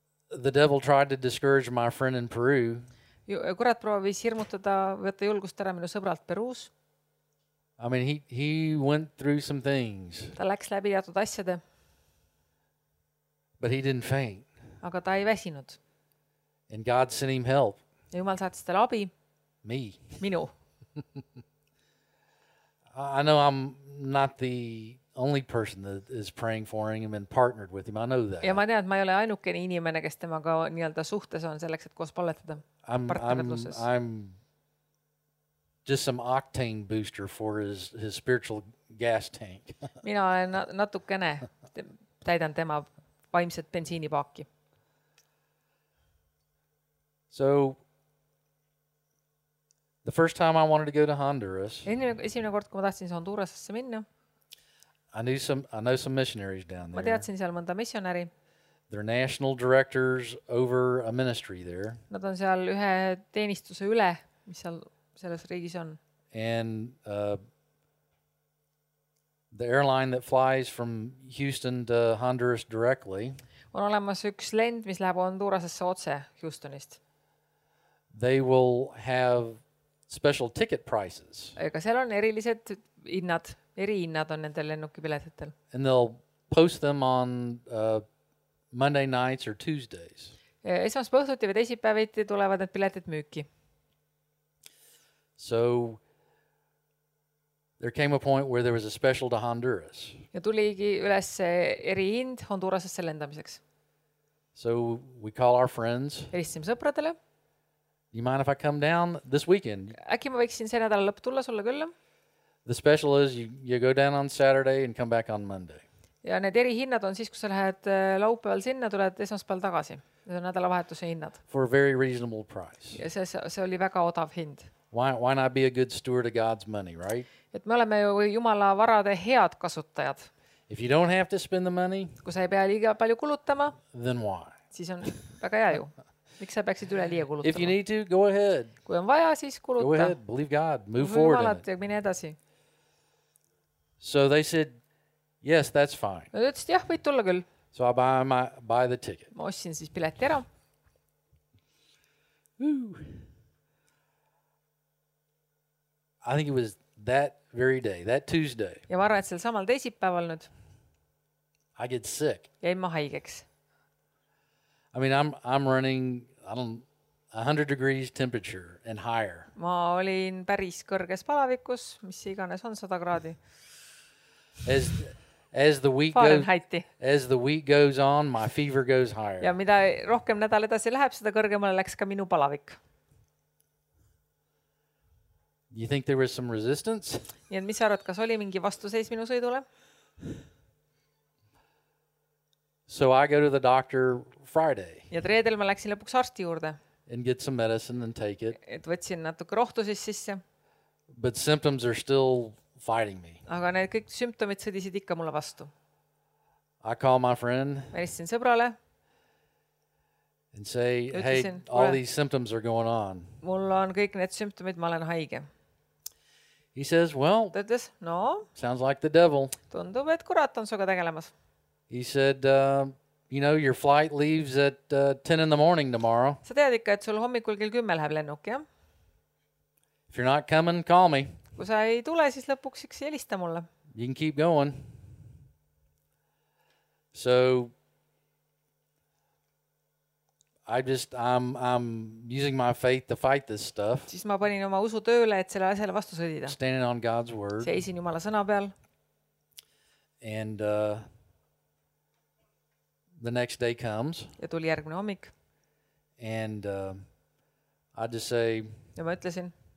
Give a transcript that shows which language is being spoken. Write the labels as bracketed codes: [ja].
[en] The devil tried to discourage my friend in Peru. [et] Kurat proovis hirmutada, võtta julgust ära minu sõbralt Peruus. [en] I mean, he went through some things. [et] Ta läks läbi teatud asjade. [en] But he didn't faint. [et] Aga ta ei väsinud. [en] And God sent him help. [et] Ja Jumal saatis tal abi. [en] Me. [et] Minu. [en] I know I'm not the only person that is praying for him and partnered with him. I know that. [et] Ja ma tean, et ma ei ole ainuke inimene, kes temaga nii-öelda suhtes on selleks, et koos palvetada. [en] I'm just some octane booster for his spiritual gas tank. [et] Mina olen natukene täidan tema vaimset bensiinipaaki. [en] So the first time I wanted to go to Honduras. [et] Esimene kord, kui ma tahtsin Hondurasesse minna. [en] I know some missionaries down there. [et] Ma teadsin seal mõnda missionäri. [en] They're national directors over a ministry there. [et] Nad on seal ühe teenistuse üle, mis seal selles riigis on. [en] And the airline that flies from Houston to Honduras directly. [et] On olemas üks lend, mis läheb Hondurasesse otse Houstonist. [en] They will have special ticket prices. [et] Aga seal on erilised hinnad, eri hinnad on nendel lennukipiletitel. [en] And they'll post them on Monday nights or Tuesdays. [et] Esmas põhtuti või teisipäeviti tulevad need piletid müüki. [en] So There came a point where there was a special to Honduras. [et] Ja tuligi üles eri hind Hondurasesse lendamiseks. [en] So we call our friends. [et] Helistasime sõpradele. [en] You mind if I come down this weekend? [et] Äkki ma võiksin see nädala lõpp tulla sulle külla? [en] The special is you go down on Saturday and come back on Monday. [et] Ja need eri hinnad on siis, kui sa lähed laupäeval sinna, tuled esmaspäeval tagasi. Need on nädalavahetuse hinnad. [en] For a very reasonable price. [et] Ja see oli väga odav hind. [en] Why not be a good steward of God's money, right? [et] Et me oleme ju Jumala varade head kasutajad. [en] If you don't have to spend the money, [et] kui sa ei pea liiga palju kulutama, [en] then why? [et] Siis on väga hea ju. Miks sa peaksid üle liia kulutama? [en] If you need to, go ahead. [et] Kui on vaja, siis kuluta. [en] Go ahead, believe God, move forward. [et] Jumalat ja mine edasi. [en] So they said, yes, that's fine. [et] Ma ütlesin, jah, võid tulla küll. [en] So I buy the ticket. [et] Ma ostsin siis pileti ära. [en] I think it was that very day, that Tuesday. [et] Ja ma arvan, et sel samal teisipäeval nüüd. [en] I get sick. [et] Jäin ma haigeks. [en] I mean, I'm running, I don't, 100 degrees temperature and higher. [et] Ma olin päris kõrges palavikus, mis iganes on 100 graadi. [en] As the week goes on, my fever goes higher. [et] Ja mida rohkem nädal edasi läheb, seda kõrgemale läks ka minu palavik. [en] You think there was some resistance? [et] Ja mis sa arvad, kas oli mingi vastuseis minu sõidule? [en] So I go to the doctor Friday. [et] Ja reedel ma läksin lõpuks arsti juurde. [en] And get some medicine and take it. [et] Et võtsin natuke rohtu sisse. [en] But symptoms are still fighting me. [et] Aga need kõik sümptomid sõdisid ikka mulle vastu. [en] I call my friend. [et] Ma helistasin sõbrale. [en] And say, hey, all these symptoms are going on. [et] Mul on kõik need sümptomid, ma olen haige. [en] He says, well, [et] tõttes, no, [en] sounds like the devil. [et] Tundub, et kurat on suga tegelemas. [en] He said, you know, your flight leaves at 10 in the morning tomorrow. [et] Sa tead ikka, et sul hommikul kell 10 läheb lennuk, jah? [en] If you're not coming, call me. [et] Kui sa ei tule, siis lõpuks üks helista mulle. [en] You can keep going. So, I'm using my faith to fight this stuff. [et] Siis ma panin oma usu tööle, et selle asjale vastu sõdida. [en] Standing on God's word. [et] Seisin Jumala sõna peal. [en] And the next day comes. [et] Ja tuli järgmine hommik. [en] And I just say. [et] Ja ma ütlesin.